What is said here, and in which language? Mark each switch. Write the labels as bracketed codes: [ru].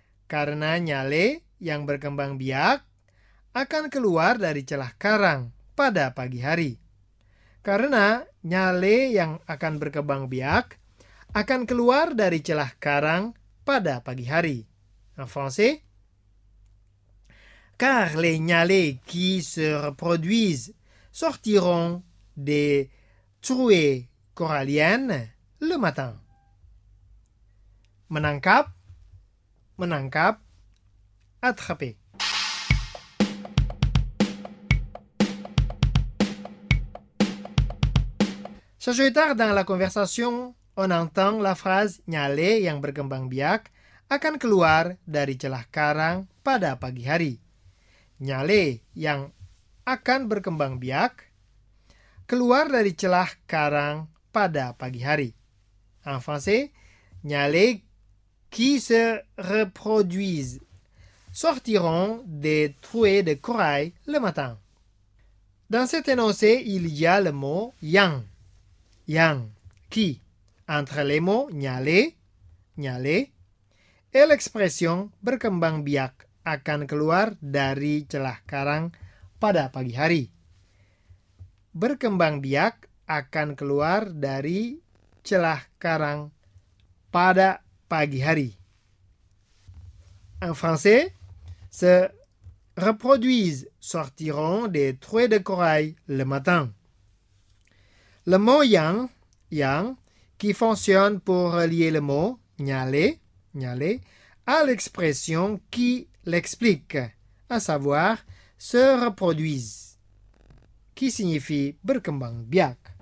[id] Karena nyale yang berkembang biak akan keluar dari celah karang pada pagi hari. Karena nyale yang akan berkembang biak akan keluar dari celah karang pada pagi hari. [fr] En français. Car les nyale qui se reproduisent sortiront des trouées coralienne le matin. Menangkap, attraper. Sesuai tard dans la conversation, on entend la phrase [id] nyale yang berkembang biak akan keluar dari celah karang pada pagi hari. Nyale yang akan berkembang biak keluar dari celah karang pada pagi hari. [fr] En français, nyale qui se reproduisent sortiront des trous de corail le matin. Dans cet énoncé, il y a le mot yang. Yang, qui, entre les mots nyale, nyale, et l'expression [id] berkembang biak akan keluar dari celah karang pada pagi hari. Berkembang biak akan keluar dari celah karang pada pagi hari. [fr] En français, se reproduisent sortiront des trous de corail le matin. Le mot yang, yang, qui fonctionne pour relier le mot nyale, nyale, à l'expression qui l'explique, à savoir se reproduisent, qui signifie [id] berkembang biak.